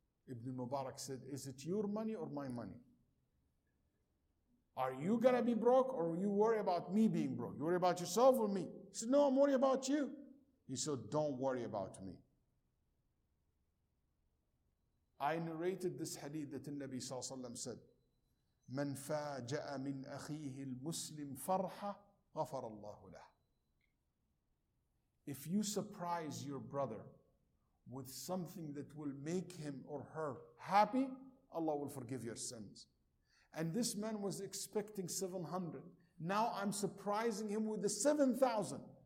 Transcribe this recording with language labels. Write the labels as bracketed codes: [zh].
[en] Ibn Mubarak said, is it your money or my money? Are you gonna be broke or you worry about me being broke? You worry about yourself or me? He said, no, I'm worried about you. He said, don't worry about me. I narrated this hadith that the Nabi Sallallahu Alaihi Wasallam said, [ar] من فاجأ من أخيه المسلم فرحة غفر الله له. [en] If you surprise your brother with something that will make him or her happy, Allah will forgive your sins. And this man was expecting 700. Now I'm surprising him with the 7,000.